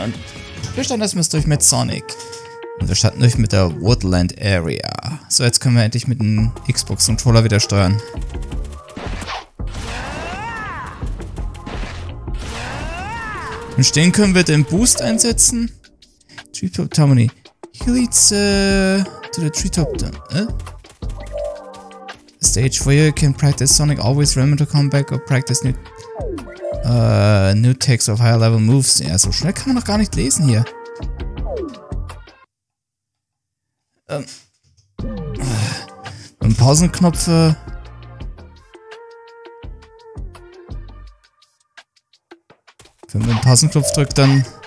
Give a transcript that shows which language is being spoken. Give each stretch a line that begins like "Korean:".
German: Und wir starten erstmal durch mit Sonic. Und wir starten durch mit der Woodland Area. So, jetzt können wir endlich mit dem Xbox-Controller wieder steuern. Im Stehen können wir den Boost einsetzen. Treetop Tamony.
English: He leads to the Treetop Stage where you can practice Sonic always remember to come back or practice new techs of higher level moves.
German: Ja, so schnell kann man noch gar nicht lesen hier. Ein Pausenknopf. Wenn man den Pausenknopf drückt, dann.